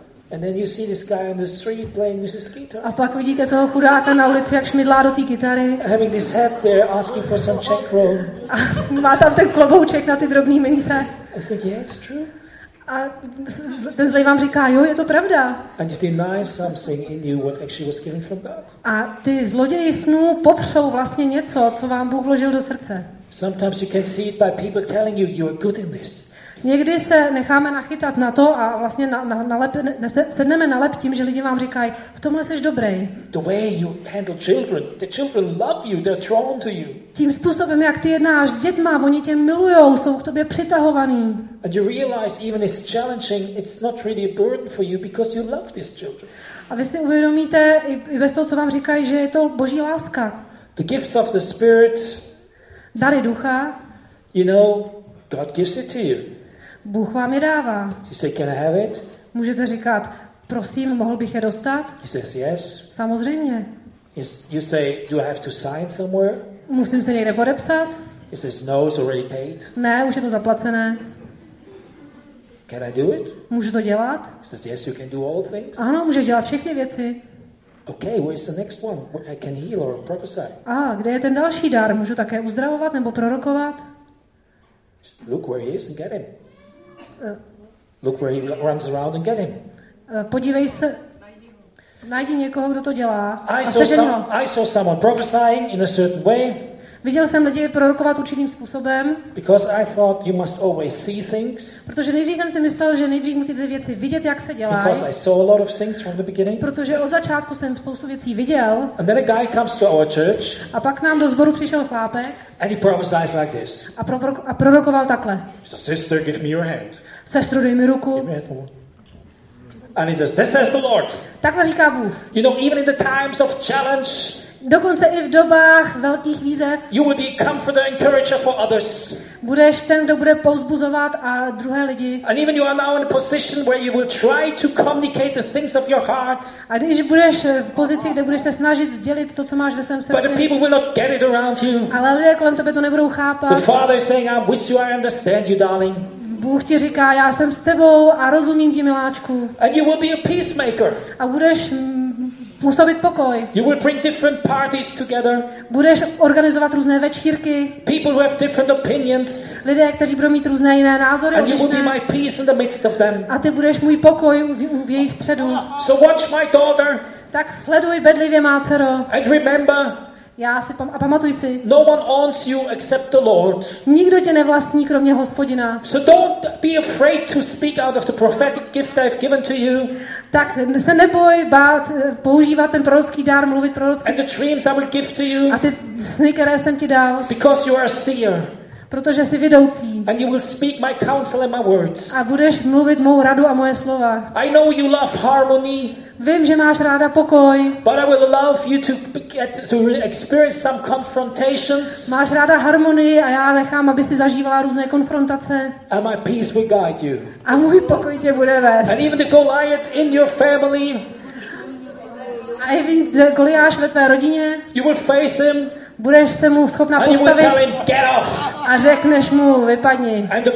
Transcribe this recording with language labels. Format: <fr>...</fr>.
<en>And then you see this guy on the street playing with his guitar.</en> <cs>A pak vidíte toho chudáka na ulici, jak šmidlá do té kytary.</cs> <en>Having this hat there, asking for some check roll.</en> <cs>A má tam ten klobouček na ty drobný mince.</cs> <en>I said, yeah, it's true.</en> <cs>A ten zlej vám říká, jo, je to pravda.</cs> <en>And you deny something in you what actually was given from God.</en> <cs>A ty zloději snů popřou vlastně něco, co vám Bůh vložil do srdce.</cs> <en>Sometimes you can see it by people telling you are good in this.</en> <cs>Někdy se necháme nachytat na to a vlastně sedneme na lep tím, že lidi vám říkají, v tomhle seš dobrý.</cs> <en>The way you handle children, the children love you, they're drawn to you.</en> <cs>Tím způsobem, jak ty jednáš s dětma, oni tě milujou, jsou k tobě přitahovaní.</cs> <en>And you realize even it's challenging, it's not really a burden for you because you love these children.</en> <cs>A vy si uvědomíte i bez toho, co vám říkají, že je to Boží láska.</cs> <en>The gifts of the Spirit.</en> <cs>Dary ducha.</cs> <en>You know, God gives it to you.</en> <cs>Bůh vám je dává.</cs> <en>You say, can I have it?</en> <cs>Můžete říkat, prosím, mohl bych je dostat?</cs> <en>He says, yes.</en> <cs>Samozřejmě.</cs> <en>You say, do I have to sign somewhere?</en> <cs>Musím se někde podepsat?</cs> <en>He says, no, it's already paid.</en> <cs>Ne, už je to zaplacené.</cs> <en>Can I do it?</en> <cs>Můžu to dělat?</cs> <en>He says, yes, you can do all things.</en> <cs>Ano, může dělat všechny věci.</cs> <en>Okay, where is the next one? I can heal or prophesy.</en> <cs>A kde je ten další dar? Můžu také uzdravovat nebo prorokovat?</cs> <en>Look where he is and get him. Look where he runs around and get him.</en> <cs>Podívej se. Najdi někoho, kdo to dělá.</cs> <en>I saw someone prophesying in a certain way.</en> <cs>Viděl jsem lidi prorokovat určitým způsobem.</cs> <en>Because I thought you must always see things.</en> <cs>Protože nejdřív jsem si myslel, že nejdřív musíte věci vidět, jak se dělá.</cs> <en>Because I saw a lot of things from the beginning.</en> <cs>Protože od začátku jsem spoustu věcí viděl.</cs> <en>And then a guy comes to our church.</en> <cs>A pak nám do sboru přišel chlápek.</cs> <en>And he prophesies like this.</en> <cs>A prorokoval takhle.</cs> <en>So sister, give me your hand.</en> <cs>Sestru, dej mi ruku.</cs> <en>And he says, this says the Lord.</en> <cs>Takhle říká Bůh.</cs> <en>You know, even in the times of challenge.</en> <cs>Dokonce i v dobách velkých výzev.</cs> <en>You will be comforter and encourager for others.</en> <cs>Budeš ten, kdo bude povzbuzovat a druhé lidi.</cs> <en>And even you are now in a position where you will try to communicate the things of your heart.</en> <cs>A když budeš v pozici, kde budeš se snažit sdělit to, co máš ve svém srdci.</cs> <en>But the people will not get it around you.</en> <cs>Ale lidé kolem tebe to nebudou chápat.</cs> <en>The Father is saying, I'm with you, I understand you, darling.</en> <cs>Bůh ti říká, já jsem s tebou a rozumím ti, miláčku.</cs> <en>And you will be a peacemaker.</en> <cs>A budeš působit pokoj.</cs> <en>You will bring different parties together.</en> <cs>Budeš organizovat různé večírky.</cs> <en>People who have different opinions.</en> <cs>Lidé, kteří budou mít různé jiné názory.</cs> <en>And you will be my peace in the midst of them.</en> <cs>A ty budeš můj pokoj v jejich středu.</cs> <en>So watch my daughter.</en> <cs>Tak sleduj bedlivě, má dcero.</cs> <en>And remember.</en> <cs>A pamatuj si.</cs> <en>No one owns you except the Lord.</en> <cs>Nikdo tě nevlastní kromě Hospodina.</cs> <en>So don't be afraid to speak out of the prophetic gift I've given to you.</en> <cs>Tak se neboj bát používat ten prorocký dar, mluvit prorocky.</cs> <en>And the dreams I will give to you.</en> <cs>A ty sny, které jsem ti dal.</cs> <en>Because you are a seer.</en> <cs>Protože jsi vedoucí.</cs> <en>And you will speak my counsel and my words.</en> <cs>A budeš mluvit mou radu a moje slova.</cs> <en>I know you love harmony.</en> <cs>Vím, že máš ráda pokoj.</cs> <en>But I will allow you to get to experience some confrontations.</en> <cs>Máš ráda harmonii a já nechám, aby jsi zažívala různé konfrontace.</cs> <en>And my peace will guide you.</en> <cs>A můj pokoj tě bude vést.</cs> <en>And even the Goliath in your family.</en> <cs>A i Goliáš ve tvé rodině.</cs> <en>You will face him.</en> <cs>Budeš se mu schopna postavit a řekneš mu, vypadni.</cs>